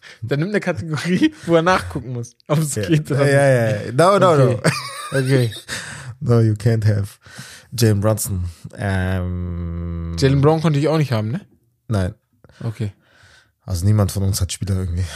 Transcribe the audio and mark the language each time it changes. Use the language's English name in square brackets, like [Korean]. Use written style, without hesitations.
[German] Dann nimm eine Kategorie, wo er nachgucken muss, ob es geht. Ja. No. Okay. [English] No, you can't have Jalen Brunson. [German] Jalen Brown konnte ich auch nicht haben, ne? Nein. Okay. Also niemand von uns hat Spieler irgendwie.